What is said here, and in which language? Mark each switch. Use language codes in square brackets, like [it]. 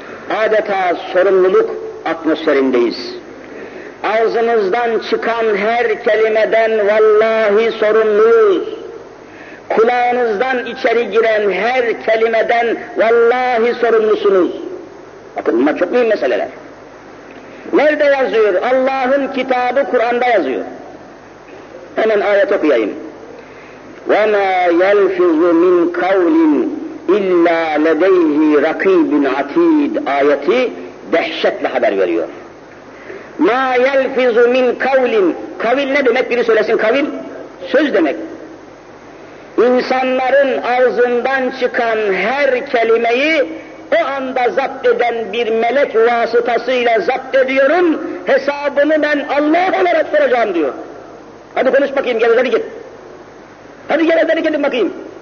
[tr] Adeta sorumluluk atmosferindeyiz. Ağzımızdan çıkan her kelimeden vallahi sorumluyuz. Kulağınızdan içeri giren her kelimeden vallahi sorumlusunuz. Bakın bunlar çok mühim meseleler. Nerede yazıyor? Allah'ın kitabı Kur'an'da yazıyor. Hemen ayet okuyayım. [ar] وَمَا يَلْفِظُ مِنْ قَوْلٍ اِلَّا لَدَيْهِ رَقِيبٌ عَتِيدٌ [tr] ayeti dehşetle haber veriyor. [ar] مَا يَلْفِظُ مِنْ قَوْلٍ [tr] kavil ne demek? Biri söylesin kavil. Söz demek. İnsanların ağzından çıkan her kelimeyi o anda zapt eden bir melek vasıtasıyla zapt ediyorum, hesabını ben Allah'a olarak soracağım diyor. Hadi konuş bakayım, gel hadi git. Hadi gel hadi gidin bakayım.